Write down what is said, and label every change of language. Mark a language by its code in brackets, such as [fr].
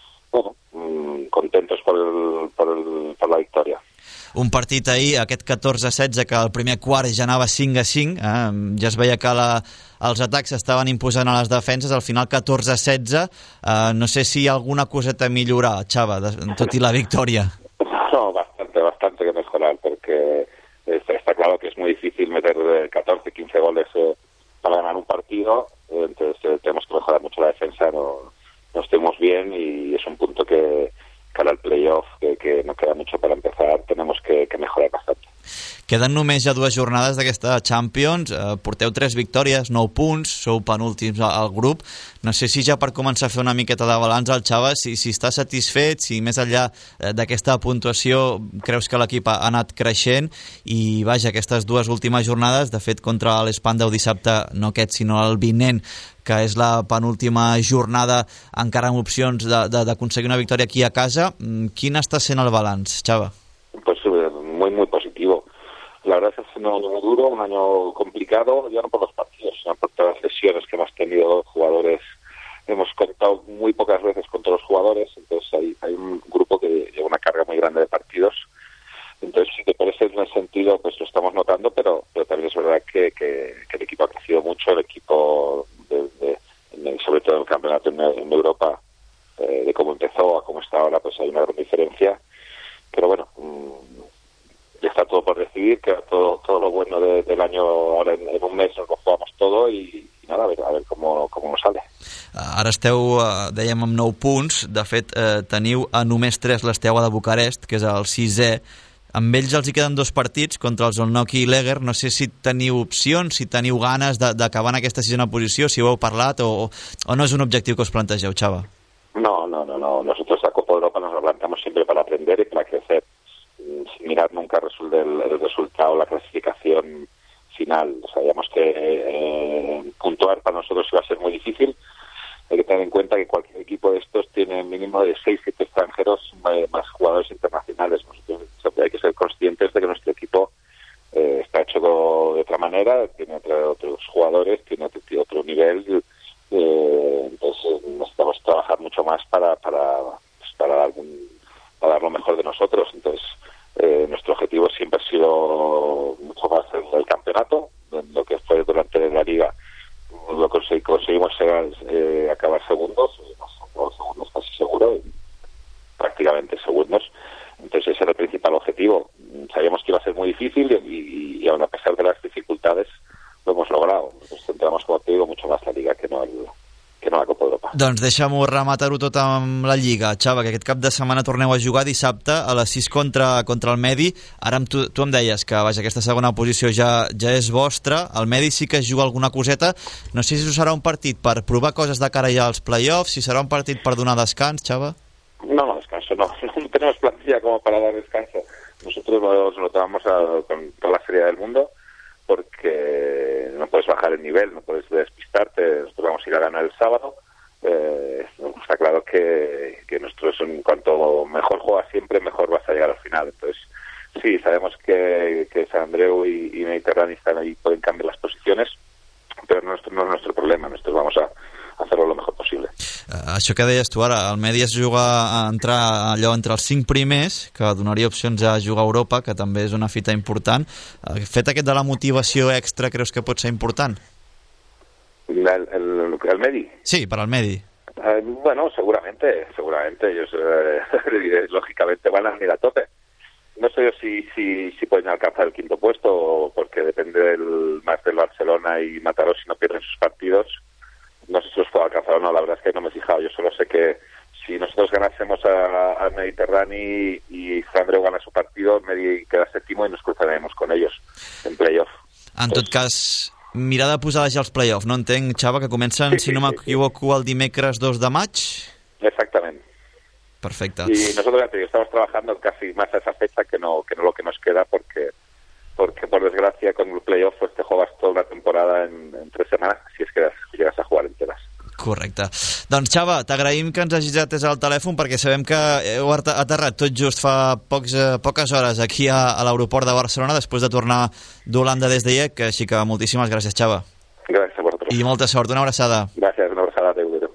[ca] Bueno, contentos per la victòria. Un partit ahir, aquest 14-16, que el primer quart ja anava 5-5, ja es veia que els atacs estaven imposant a les defenses, al final 14-16, no sé si hi ha alguna coseta a millorar, Xava, tot i la victòria. [es] No, bastante que mejorar, [ca] perquè està clar que és molt difícil [es] meter 14-15 goles per ganar un partit, entonces tenemos que mejorar mucho la defensa, no estemos bien, y es un punto que cara al playoff, que no queda mucho para empezar, tenemos que mejorar bastante. [ca] Queden només ja dues jornades d'aquesta Champions, porteu 3 victòries, 9 punts, sou penúltims al grup, no sé si ja per començar a fer una miqueta de balanç al Xava, si està satisfet, si més enllà d'aquesta puntuació creus que l'equip ha anat creixent, i vaja, aquestes dues últimes jornades, de fet contra l'Espandau dissabte, no aquest sinó el vinent, que és la penúltima jornada, encara amb opcions d'aconseguir una victòria aquí a casa, quin està sent el balanç, Xava? [es] Pues muy positivo. La verdad es que ha sido un año duro, un año complicado, ya no por los partidos, sino por todas las lesiones que hemos tenido los jugadores. Hemos contado muy pocas veces con todos los jugadores, entonces hay un grupo que lleva una carga muy grande de partidos. Entonces, si te parece, en ese sentido, pues lo estamos notando, pero también es verdad que el equipo ha crecido mucho, el equipo, sobre todo en el campeonato en Europa, de cómo empezó a cómo está ahora, pues hay una gran diferencia. Pero bueno, está todo por recibir, queda todo lo bueno del año ahora en un mes, lo jugamos todo y nada, a ver cómo nos sale. [ca] Ara esteu, dèiem, amb 9 punts, de fet teniu a només 3 l'Esteua de Bucarest, que és el 6è. Amb ells els hi queden 2 partits contra els Olnoki i l'Eger. No sé si teniu opcions, si teniu ganes d'acabar en aquesta 6a posició, si ho heu parlat o no és un objectiu que us plantegeu, Xava. [es] No. Nosotros a Copa Europa nos plantamos siempre para aprender y para crecer. Sin mirar nunca el resultado, la clasificación final. Sabíamos que puntuar para nosotros iba a ser muy difícil. Hay que tener en cuenta que cualquier equipo de estos tiene mínimo de 6-7 extranjeros más jugadores internacionales. Nosotros, hay que ser conscientes de que nuestro equipo está hecho de otra manera, tiene otros jugadores, tiene otro nivel. Entonces necesitamos trabajar mucho más para dar lo mejor de nosotros. Entonces nuestro objetivo siempre ha sido mucho más el campeonato, lo que fue durante la liga. Lo conseguimos acabar segundos, segundos casi seguro, prácticamente segundos. Entonces ese era el principal objetivo. Sabíamos que iba a ser muy difícil y aun a pesar de las dificultades lo hemos logrado. Nos centramos, como te digo, mucho más la liga que no el a la Copa Europa. [ca] Doncs deixa-m'ho rematar-ho tot amb la Lliga, Xava, que aquest cap de setmana torneu a jugar dissabte a les 6 contra el Medi. Ara tu em deies que vaja, aquesta segona posició ja és vostra, el Medi sí que es juga alguna coseta. No sé si us serà un partit per provar coses de cara ja als play-offs, si serà un partit per donar descans, Xava. [es] No, no, descanso no. No tenemos plantilla como para dar descanso. Nosotros nos notábamos con toda la seriedad del mundo, porque no puedes bajar el nivel, no puedes despistarte. Nosotros vamos a ir a ganar el sábado. Está claro que nosotros, en cuanto mejor juegas siempre, mejor vas a llegar al final. Entonces, sí, sabemos que San Andreu y Mediterráneo están ahí, pueden cambiar las posiciones, pero nuestro, no es nuestro problema. Nosotros vamos a hacerlo lo mejor posible. [ca] Això que deies tu ara, el Medi es juga a entrar allò entre els 5 primers, que donaria opcions a jugar a Europa, que també és una fita important. El fet aquest de la motivació extra, creus que pot ser important? El Medi? Sí, per al Medi. [es] Bueno, segurament, ellos, lógicamente van a venir a tope. No sé yo si pueden alcanzar el quinto puesto, porque depende más del Barcelona y Mataró si no pierden sus partidos. No sé si los puedo alcanzar o no, la verdad es que no me he fijado. Yo solo sé que si nosotros ganásemos a Mediterráneo y San Andreu gana su partido, Medi queda séptimo y nos cruzaremos con ellos en playoff. [ca] En tot cas, mirar de posar ja els playoff, no entenc, Xava, que comencen, sí, si no m'equivoco, el dimecres 2 de maig? Exactament. Perfecte. [es] Y nosotros ya te digo, estamos trabajando casi más a esa fecha que no lo que nos queda, porque por desgracia con el playoff pues te juegas toda una temporada en 3 semanas, si es que llegas a jugar enteras. [ca] Correcte. Doncs Xava, t'agraïm que ens hagis atès al telèfon, perquè sabem que heu aterrat tot just fa poques hores aquí a l'aeroport de Barcelona després de tornar d'Holanda des d'ahir, que així que moltíssimes gràcies, Xava. Gràcies a vosaltres. I molta sort, una abraçada. Gràcies, una abraçada, adéu.